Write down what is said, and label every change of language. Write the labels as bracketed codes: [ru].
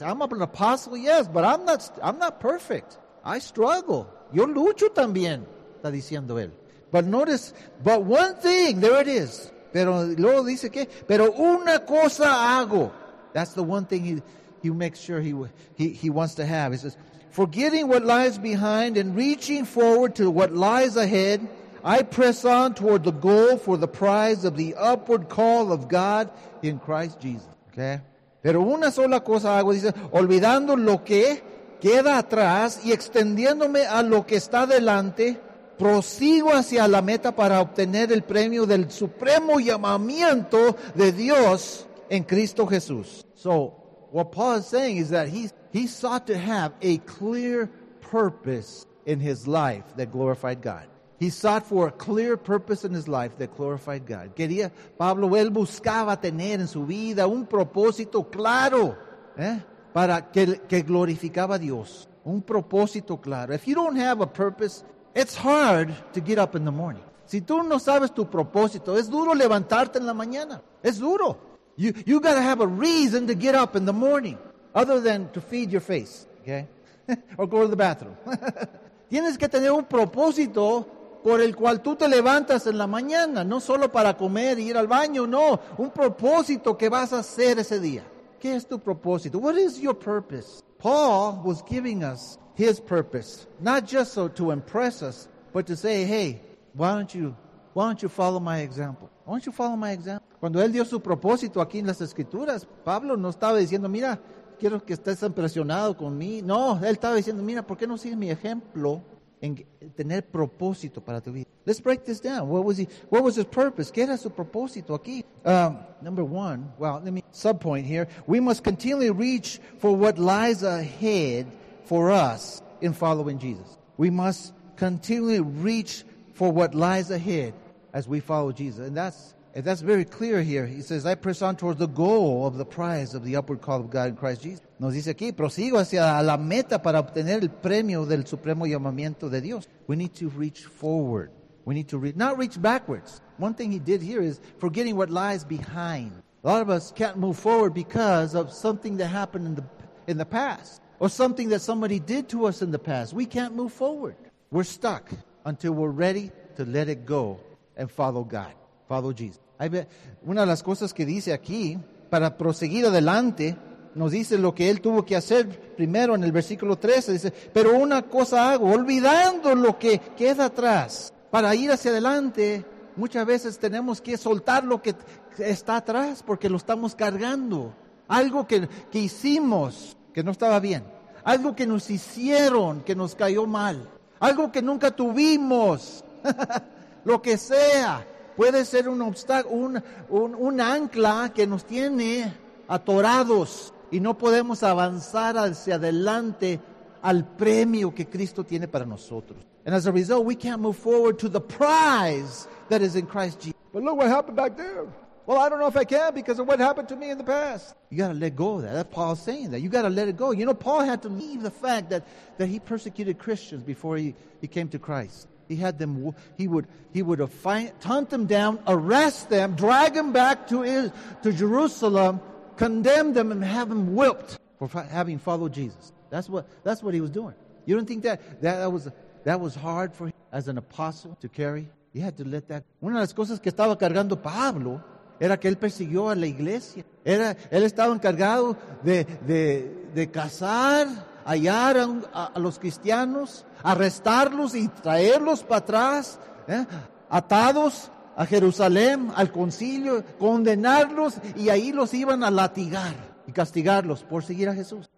[en] I'm an apostle, yes, but I'm not perfect. I struggle. [es] Yo lucho también. Está diciendo él. [en] But notice, but one thing, there it is. [es] Pero luego dice que, pero una cosa hago. [en] That's the one thing he makes sure he wants to have. He says, forgetting what lies behind and reaching forward to what lies ahead, I press on toward the goal for the prize of the upward call of God in Christ Jesus. Okay? [es] Pero una sola cosa hago, dice, olvidando lo que queda atrás y extendiéndome a lo que está delante, prosigo hacia la meta para obtener el premio del supremo llamamiento de Dios en Cristo Jesús. [en] So, what Paul is saying is that he sought to have a clear purpose in his life that glorified God. He sought for a clear purpose in his life that glorified God. [es] Quería, Pablo, él buscaba tener en su vida un propósito claro, para que glorificaba a Dios. Un propósito claro. [en] If you don't have a purpose, it's hard to get up in the morning. [es] Si tú no sabes tu propósito, es duro levantarte en la mañana. Es duro. [en] You gotta have a reason to get up in the morning, other than to feed your face, okay? Or go to the bathroom. [es] Tienes que tener un propósito por el cual tú te levantas en la mañana, no solo para comer y ir al baño, no. Un propósito que vas a hacer ese día. ¿Qué es tu propósito? [en] What is your purpose? Paul was giving us his purpose, not just so to impress us, but to say, hey, why don't you follow my example? Why don't you follow my example? [es] Cuando él dio su propósito aquí en las Escrituras, Pablo no estaba diciendo, mira, quiero que estés impresionado con mí. No, él estaba diciendo, mira, ¿por qué no sigues mi ejemplo en tener propósito para tu vida? [en] Let's break this down. What was his purpose? [es] ¿Qué era su propósito aquí? [en] Number one, well, let me subpoint here. We must continually reach for what lies ahead for us in following Jesus. We must continually reach for what lies ahead as we follow Jesus. And that's very clear here. He says, I press on towards the goal of the prize of the upward call of God in Christ Jesus. [es] Nos dice aquí, prosigo hacia la meta para obtener el premio del supremo llamamiento de Dios. [en] We need to reach forward. We need to not reach backwards. One thing he did here is forgetting what lies behind. A lot of us can't move forward because of something that happened in the past. Or something that somebody did to us in the past. We can't move forward. We're stuck until we're ready to let it go and follow God. Follow Jesus. [es] Una de las cosas que dice aquí, para proseguir adelante, nos dice lo que él tuvo que hacer primero en el versículo 13. Dice, pero una cosa hago, olvidando lo que queda atrás. Para ir hacia adelante, muchas veces tenemos que soltar lo que está atrás porque lo estamos cargando. Algo que hicimos que no estaba bien. Algo que nos hicieron que nos cayó mal. Algo que nunca tuvimos. Lo que sea. Puede ser un obstáculo, un ancla que nos tiene atorados y no podemos avanzar hacia adelante al premio que Cristo tiene para nosotros. [en] And as a result, we can't move forward to the prize that is in Christ Jesus. But look what happened back there. Well, I don't know if I can because of what happened to me in the past. You got to let go of that. That's Paul saying that. You got to let it go. You know, Paul had to leave the fact that he persecuted Christians before he came to Christ. He had them, he would taunt them down, arrest them, drag them back to Jerusalem, condemn them and have them whipped for having followed Jesus. That's what he was doing. You don't think that was hard for him as an apostle to carry? He had to let that. [es] Una de las cosas que estaba cargando Pablo era que él persiguió a la iglesia. Él estaba encargado de, de, de cazar, hallar a los cristianos, arrestarlos y traerlos para atrás, atados a Jerusalén, al concilio, condenarlos y ahí los iban a latigar y castigarlos por seguir a Jesús.